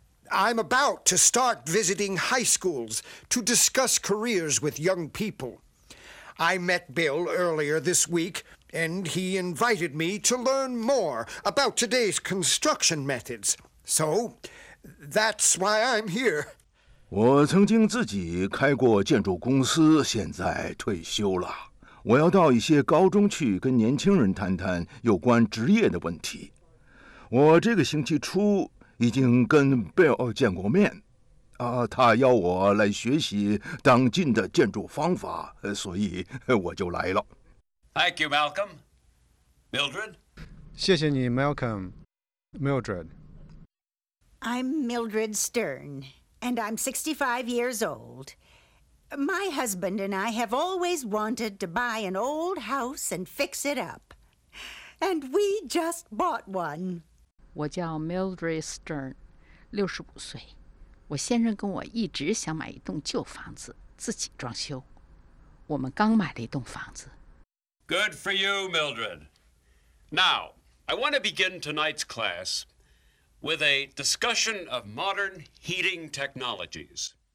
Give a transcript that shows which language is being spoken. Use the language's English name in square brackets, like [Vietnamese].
[English] I'm about to start visiting high schools to discuss careers with young people. I met Bill earlier this week, and he invited me to learn more about today's construction methods. So, that's why I'm here. [Chinese] 我曾经自己开过建筑公司，现在退休了。我要到一些高中去跟年轻人谈谈有关职业的问题。我这个星期初已经跟 Bill 见过面，他要我来学习当今的建筑方法，所以我就来了。 [English] Thank you, Malcolm. Mildred? [Chinese] 谢谢你 ,Malcolm. Mildred. [English] I'm Mildred Stern. And I'm 65 years old. My husband and I have always wanted to buy an old house and fix it up. And we just bought one. [Chinese] 我叫 Mildred Stern， 65岁。我先生跟我一直想买一栋旧房子，自己装修。我们刚买了一栋房子。 [English] Good for you, Mildred. Now, I want to begin tonight's class with a discussion of modern heating technologies.